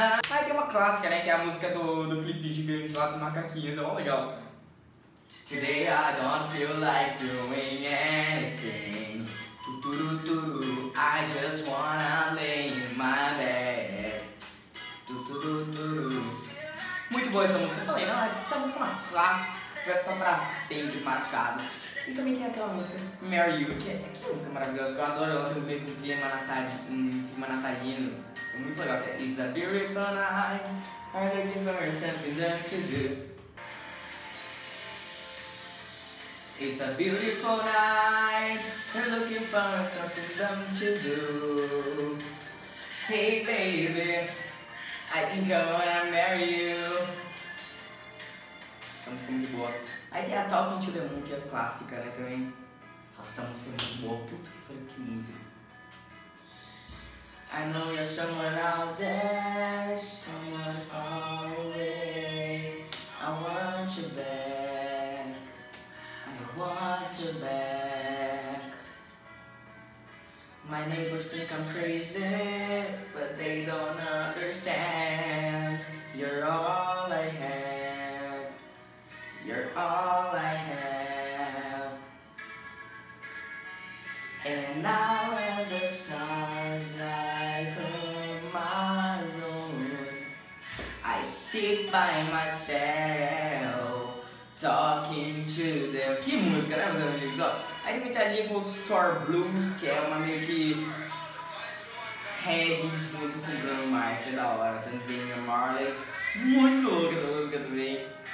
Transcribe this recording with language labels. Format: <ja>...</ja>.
<pt>Aí tem uma clássica, né, que é a música do clipe gigante lá dos macaquinhos, é mó legal.</pt> <en>Today I don't feel like doing anything. Tuturutu, I just wanna lay in my bed. Tuturutu.</en> <pt>Muito boa essa música, eu falei, não, essa música é uma clássica, só pra sempre marcada. E também tem aquela música, Marry You, que é música maravilhosa, que eu adoro, ela tem um clima natalino. É muito legal, que é</pt> <en>It's a beautiful night, I'm looking for something to do. It's a beautiful night, we're looking for something dumb to do. Hey baby, I think I wanna marry you.</en> <pt>Essa música é muito boa. Aí tem a Talking to the Moon, que é clássica, né, também. Essa música é muito boa. Puta que pariu, que música.</pt> <en>I know you're somewhere out there, somewhere far away. I want you back, I want you back. My neighbors think I'm crazy, but they don't understand. You're all I have, you're all I have. And now in the stars like my room, I sit by myself, talking to them.</en> <pt>Que música, né, meus amigos? Ó, aí tem muita Little Star Blues, que é uma meio que reggae de música com Bruno Mars, é da hora. Tem Damian Marley. Muito louca essa música também.</pt>